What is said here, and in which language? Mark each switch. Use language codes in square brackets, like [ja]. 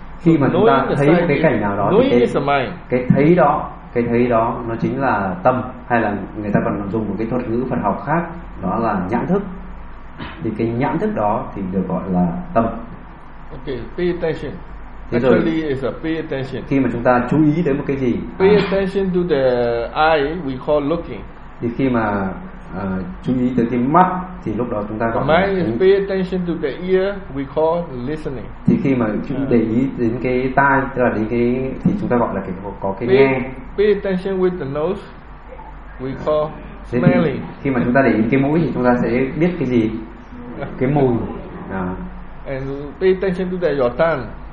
[vi] Khi mà chúng ta thấy cái cảnh nào đó thì cái thấy đó nó chính là tâm, hay là người ta còn dùng một cái thuật ngữ Phật học khác, đó là nhãn thức. Thì cái nhãn thức đó thì được gọi là tâm. [en] Okay, pay attention. Actually is a pay attention. [vi] Khi mà chúng ta chú ý đến một cái gì, [en] pay attention to the eye we call looking. [vi] Thì khi mà chú ý tới cái mắt thì lúc đó chúng ta có [en] mind is pay attention to the ear we call listening. [vi] Thì khi mà chúng để ý đến cái tai, tức là đến cái thì chúng ta gọi là cái có cái [en] pay, [vi] nghe. [en] Pay attention with the nose we call smelling. [vi] Khi mà chúng ta để ý cái mũi thì chúng ta sẽ biết cái gì? Cái mùi. [en] And pay attention to that, your tongue.